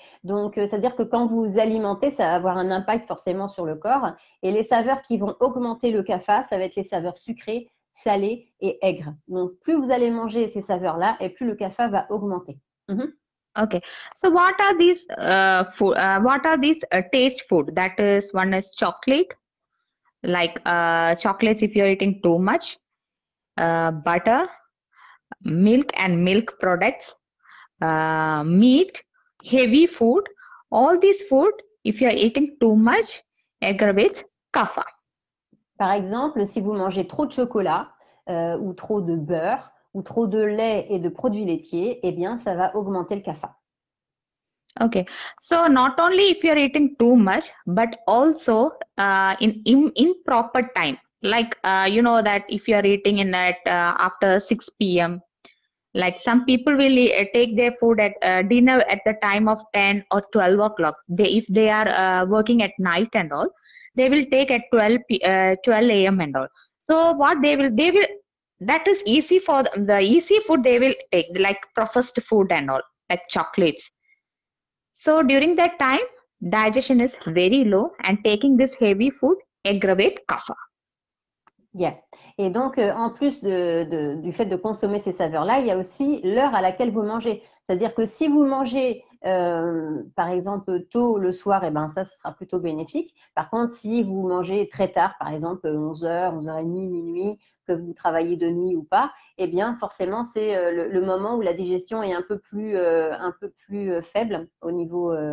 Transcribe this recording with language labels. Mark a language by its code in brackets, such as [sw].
[fr] Donc c'est-à-dire que quand vous vous alimentez, ça va avoir un impact forcément sur le corps. Et les saveurs qui vont augmenter le kapha, ça va être les saveurs sucrées, salées et aigres. Donc plus vous allez manger ces saveurs-là, et plus le kapha va augmenter. [en] Okay, so what are these taste food? That is, one is chocolate, like chocolates if you're eating too much, butter, milk and milk products, meat, heavy food. All these food, if you're eating too much, aggravates kapha. [fr] Par exemple, si vous mangez trop de chocolat ou trop de beurre ou trop de lait et de produits laitiers, eh bien, ça va augmenter le kapha. [en] Okay, so not only if you are eating too much, but also in improper time, like you know that if you are eating in that after 6 p.m., like some people will take their food at dinner at the time of 10 or 12 o'clock. If they are working at night and all, they will take at 12 a.m. and all. So what they will that is easy for the easy food they will take, like processed food and all, like chocolates. So during that time, digestion is very low and taking this heavy food aggravate kapha. [fr] Et donc, en plus du fait de consommer ces saveurs-là, il y a aussi l'heure à laquelle vous mangez. C'est-à-dire que si vous mangez, par exemple, tôt le soir, eh ben, ça sera plutôt bénéfique. Par contre, si vous mangez très tard, par exemple 11h, 11h30, minuit, que vous travaillez de nuit ou pas, eh bien, forcément, c'est le moment où la digestion est un peu plus faible au niveau.